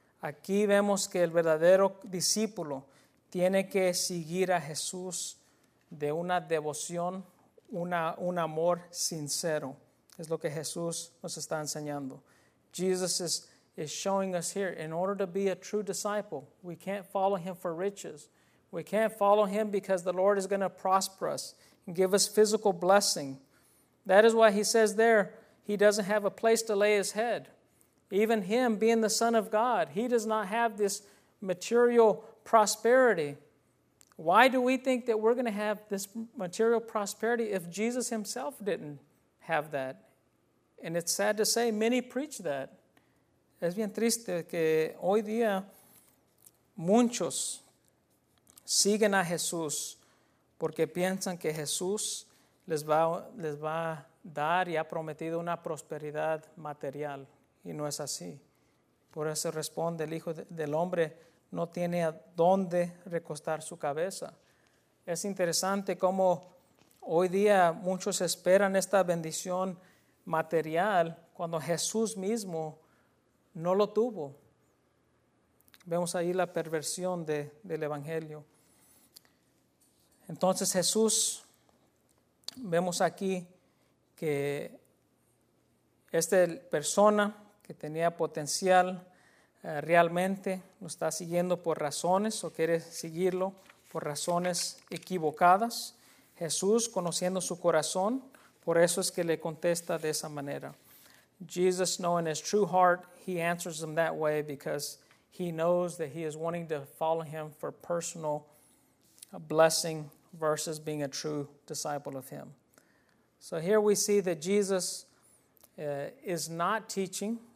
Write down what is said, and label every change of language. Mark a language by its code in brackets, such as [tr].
[es] Aquí vemos que el verdadero discípulo tiene que seguir a Jesús de una devoción, un amor sincero. Es lo que Jesús nos está enseñando. [en] Jesus is showing us here, in order to be a true disciple, we can't follow him for riches. We can't follow him because the Lord is going to prosper us and give us physical blessing. That is why he says there, he doesn't have a place to lay his head. Even him being the Son of God, he does not have this material prosperity. Why do we think that we're going to have this material prosperity if Jesus himself didn't have that? And it's sad to say, many preach that. [es] Es bien triste que hoy día muchos siguen a Jesús porque piensan que Jesús les va a dar y ha prometido una prosperidad material. Y no es así. Por eso responde el Hijo del Hombre, no tiene a dónde recostar su cabeza. Es interesante cómo hoy día muchos esperan esta bendición material cuando Jesús mismo no lo tuvo. Vemos ahí la perversión del Evangelio. Entonces Jesús, vemos aquí que esta persona que tenía potencial realmente lo está siguiendo por razones o quiere seguirlo por razones equivocadas. Jesús, conociendo su corazón, por eso es que le contesta de esa manera. [en] Jesus, knowing his true heart, he answers them that way because he knows that he is wanting to follow him for personal blessing versus being a true disciple of him. So here we see that Jesus is not teaching.